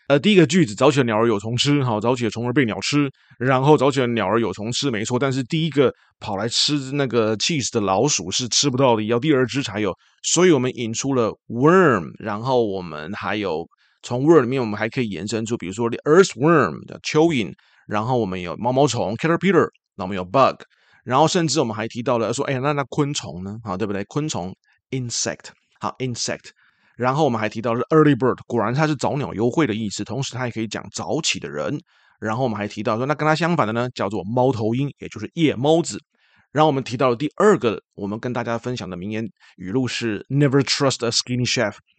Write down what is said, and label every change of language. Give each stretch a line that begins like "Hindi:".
Chinese: 第一个句子，早起的鸟儿有虫吃，好，早起的虫儿被鸟吃，然后早起的鸟儿有虫吃，没错，但是第一个跑来吃那个 cheese 的老鼠是吃不到的，要第二只才有，所以我们引出了 worm，然后我们还有从 worm 里面我们还可以延伸出，比如说 earthworm 的蚯蚓，然后我们有毛毛虫 caterpillar，那我们有 bug，然后甚至我们还提到了说，哎，那昆虫呢？好，对不对？昆虫 insect，好 insect。然后我们还提到是 early bird，果然它是早鸟优惠的意思，同时它也可以讲早起的人。然后我们还提到说，那跟它相反的呢，叫做猫头鹰，也就是夜猫子。然后我们提到了第二个，我们跟大家分享的名言语录是
English: "Never trust a skinny chef"。